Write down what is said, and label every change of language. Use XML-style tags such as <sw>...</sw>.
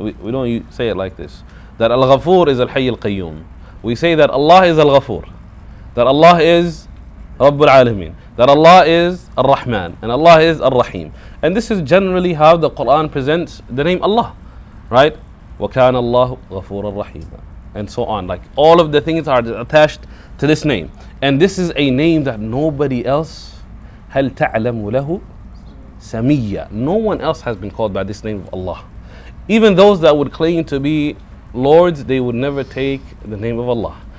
<en>We don't say it like this, that Al-Ghafoor is Al-Hayy Al-Qayyum. We say that Allah is Al-Ghafoor, that Allah is Rabbul Alameen, that Allah is Ar-Rahman, and Allah is Ar-Rahim. And this is generally how the Quran presents the name Allah, right?</en> <ar>وَكَانَ اللَّهُ غَفُورًا رَحِيمًا,</ar> <en>and so on. Like, all of the things are attached to this name. And this is a name that nobody else,</en> <ar>هَلْ تَعْلَمُ لَهُ سَمِيَّا,</ar> <en>no one else has been called by this name of Allah. Even those that would claim to be lords, they would never take the name of Allah.</en>